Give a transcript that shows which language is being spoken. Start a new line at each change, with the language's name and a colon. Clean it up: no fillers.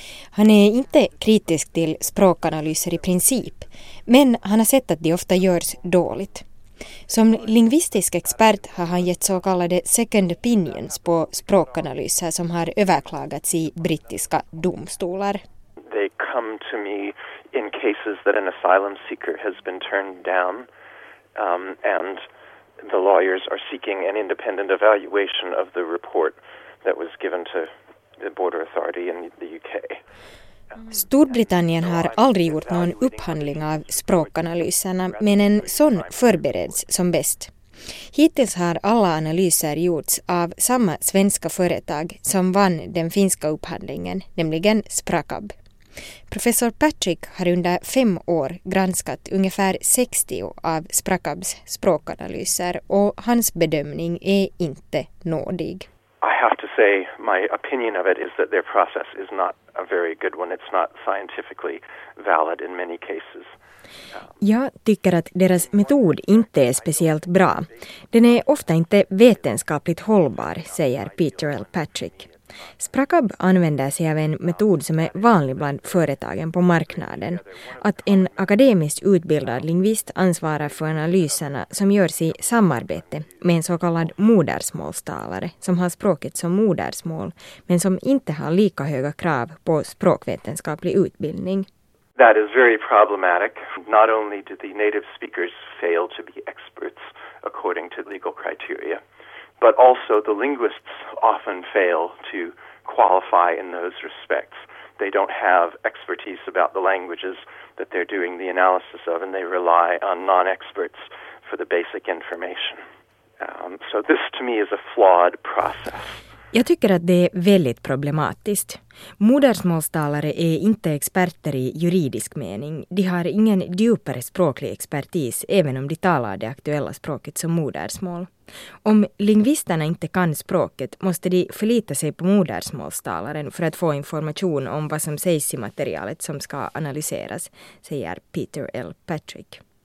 Swedish: Han är inte kritisk till språkanalyser i princip, men han har sett att det ofta görs dåligt. Som lingvistisk expert har han gett så kallade second opinions på språkanalyser som har överklagats i brittiska domstolar.
English: They come to me in cases that an asylum seeker has been turned down, and the lawyers are seeking an independent evaluation of the report that was given to the border authority in the UK.
Swedish: Storbritannien har aldrig gjort någon upphandling av språkanalyserna, men en sån förbereds som bäst. Hittills har alla analyser gjorts av samma svenska företag som vann den finska upphandlingen, nämligen Sprakab. Professor Patrick har under 5 år granskat ungefär 60 av Sprakabs språkanalyser och hans bedömning är inte nådig.
English: I have to say my opinion of it is that their process is not a very good one. It's not scientifically valid in many cases.
Swedish: Jag tycker att deras metod inte är speciellt bra. Den är ofta inte vetenskapligt hållbar, säger Peter L. Patrick. Sprakab använder sig av en metod som är vanlig bland företagen på marknaden. Att en akademiskt utbildad lingvist ansvarar för analyserna som görs i samarbete med en så kallad modersmålstalare som har språket som modersmål men som inte har lika höga krav på språkvetenskaplig utbildning.
English: That is very problematic. Not only do the native speakers fail to be experts according to legal criteria, but also the linguists often fail to qualify in those respects. They don't have expertise about the languages that they're doing the analysis of, and they rely on non-experts for the basic information. So this to me is a flawed process.
Swedish: Jag tycker att det är väldigt problematiskt. Modersmålstalare är inte experter i juridisk mening. De har ingen djupare språklig expertis även om de talar det aktuella språket som modersmål. Om lingvisterna inte kan språket måste de förlita sig på modersmålstalaren för att få information om vad som sägs i materialet som ska analyseras, säger Peter L. Patrick.